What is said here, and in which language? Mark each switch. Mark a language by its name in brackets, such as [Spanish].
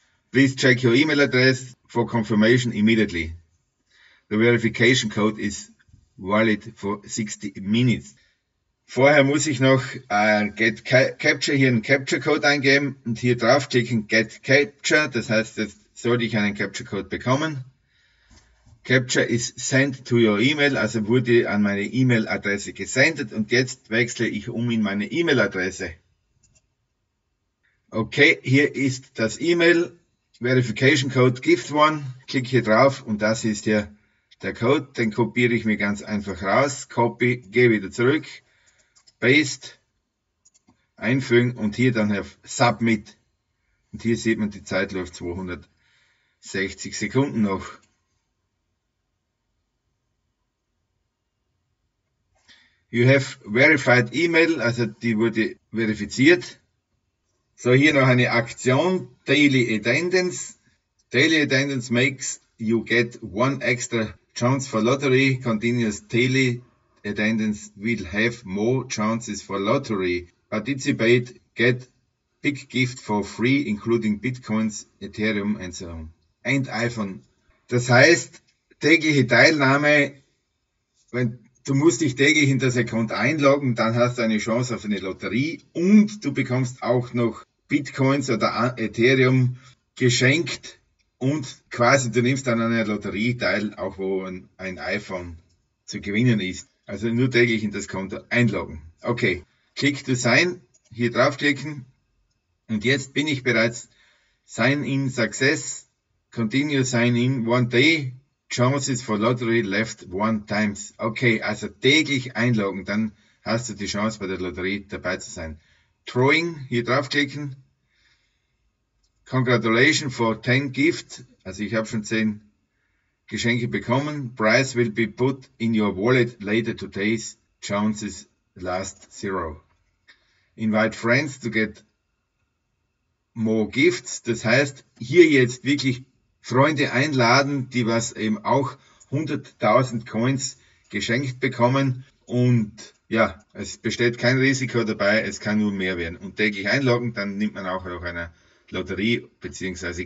[English] Please check your email address for confirmation immediately. The verification code is valid for 60 minutes. [German] Vorher muss ich noch Get Capture hier einen Capture Code eingeben und hier draufklicken Get Capture. Das heißt, jetzt sollte ich einen Capture Code bekommen. [English] Capture is sent to your email, [German] also wurde an meine E-Mail Adresse gesendet und jetzt wechsle ich um in meine E-Mail Adresse. Okay, hier ist das E-Mail, Verification Code GiftOne, klicke hier drauf und das ist hier der Code, den kopiere ich mir ganz einfach raus, Copy, gehe wieder zurück, Paste, einfügen und hier dann auf Submit. Und hier sieht man, die Zeit läuft 260 Sekunden noch. [English] You have verified E-Mail, [German] also die wurde verifiziert. So, hier noch eine Aktion, Daily Attendance. [English] Daily Attendance makes you get one extra chance for lottery. Continuous Daily Attendance will have more chances for lottery. Participate, get big gift for free, including Bitcoins, Ethereum and so on. And iPhone. [German] Das heißt, tägliche Teilnahme, wenn du musst dich täglich in das Account einloggen, dann hast du eine Chance auf eine Lotterie und du bekommst auch noch Bitcoins oder Ethereum geschenkt und quasi du nimmst dann an einer Lotterie teil, auch wo ein iPhone zu gewinnen ist. Also nur täglich in das Konto einloggen. Okay, Click to Sign, hier draufklicken und jetzt bin ich bereits [English] Sign in Success, Continue Sign in One Day, Chances for Lottery left one times. [German] Okay, also täglich einloggen, dann hast du die Chance bei der Lotterie dabei zu sein. Drawing, hier draufklicken. [English] Congratulations for 10 gifts. [German] Also ich habe schon 10 Geschenke bekommen. [English] Price will be put in your wallet later today's chances last zero. Invite friends to get more gifts. [German] Das heißt, hier jetzt wirklich Freunde einladen, die was eben auch 100.000 Coins geschenkt bekommen und ja, es besteht kein Risiko dabei, es kann nur mehr werden. Und täglich einloggen, dann nimmt man auch an einer Lotterie bzw.